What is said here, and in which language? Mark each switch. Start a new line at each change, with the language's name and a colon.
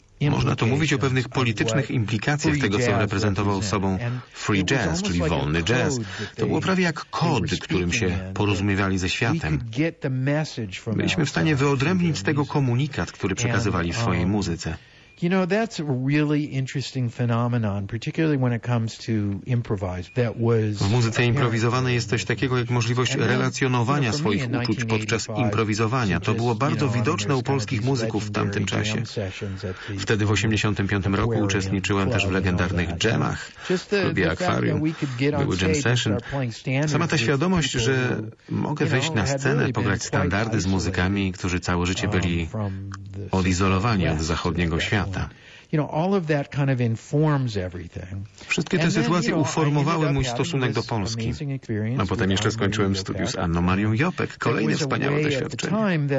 Polish: Można to mówić o pewnych politycznych implikacjach tego, co reprezentował sobą free jazz, czyli wolny jazz. To było prawie jak kod, którym się porozumiewali ze światem. Byliśmy w stanie wyodrębnić z tego komunikat, który przekazywali w swojej muzyce.
English: You know, that's a really interesting phenomenon, particularly when it comes to improvise. That was
Polish: w muzyce improwizowanej jest coś takiego jak możliwość relacjonowania swoich uczuć podczas improwizowania. To było bardzo widoczne u polskich muzyków w tamtym czasie. Wtedy w 85 roku uczestniczyłem też w legendarnych jamach w klubie Aquarium. Były jam session. Sama ta świadomość, że mogę wejść na scenę, pograć standardy z muzykami, którzy całe życie byli odizolowani od zachodniego świata.
English: You know, all of that kind of informs everything.
Polish: Wszystkie te sytuacje uformowały mój stosunek do Polski. A potem jeszcze skończyłem studiów z Anną Marią Jopek. Kolejne wspaniałe doświadczenie.